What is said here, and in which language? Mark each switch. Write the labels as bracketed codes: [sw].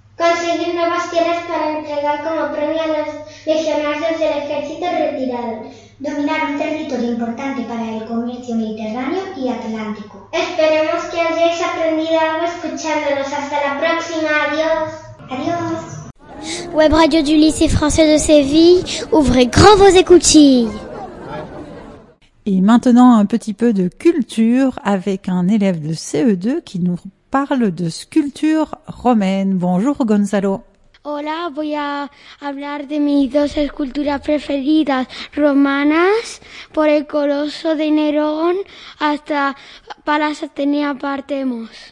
[es] Conseguir nuevas tierras para entregar como premio a los legionarios del ejército retirado. Dominar un territorio importante para el comercio mediterráneo y atlántico. Esperemos que hayáis aprendido algo escuchándonos. Hasta la próxima. Adiós. Adiós. [fr] Web Radio du Lycée Français de Séville, ouvrez grand vos écoutilles. Et maintenant, un petit peu de culture avec un élève de CE2 qui nous parle de sculpture romaine. Bonjour Gonzalo. [es] Hola, voy a hablar de mis dos esculturas preferidas romanas, por el Coloso de Nerón hasta Palas Atenea Partemos.